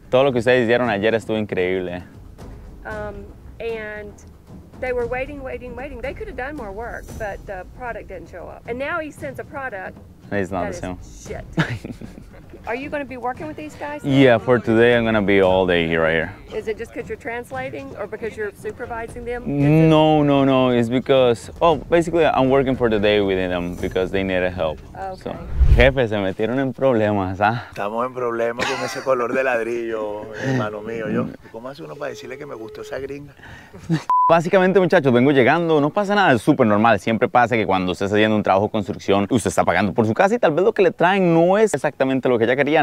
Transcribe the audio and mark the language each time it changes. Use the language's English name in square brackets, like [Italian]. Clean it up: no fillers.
[Spanish] Todo lo que ustedes hicieron ayer estuvo increíble. [English] And they were waiting. They could have done more work, but the product didn't show up. And now he sends a product. It's not the same. Shit. Are you going to be working with these guys? Yeah, for today I'm going to be all day here, right here. Is it just because you're translating or because you're supervising them? No. It's because, well, basically I'm working for the day with them because they need help. Okay. So. [Spanish] Jefe, se metieron en problemas, ¿ah? Estamos en problemas con ese color de ladrillo, hermano mío. Yo, ¿cómo hace uno para decirle que me gustó esa gringa? Básicamente, muchachos, vengo llegando, no pasa nada, es súper normal. Siempre pasa que cuando usted está haciendo un trabajo de construcción, usted está pagando por su casa y tal vez lo que le traen no es exactamente lo que ella quería.